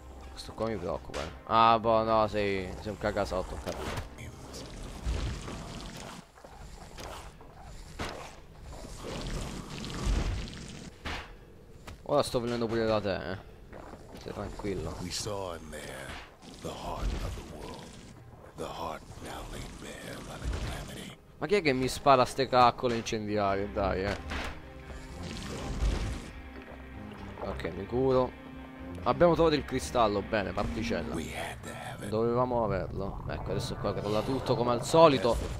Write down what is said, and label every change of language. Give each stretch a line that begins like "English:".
Italian: Questo qua mi preoccupa. Ah, boh, no, sei un cagasotto, ho capito. Ora sto venendo pure da te, eh. Sei tranquillo.
English: We saw in there the heart of the world. The heart now laid bare by the calamity.
Italian: Ma chi è che mi spara ste caccole incendiarie? Dai, eh. Ok, mi curo. Abbiamo trovato il cristallo, bene, particella. Dovevamo averlo. Ecco, adesso qua crolla tutto come al solito.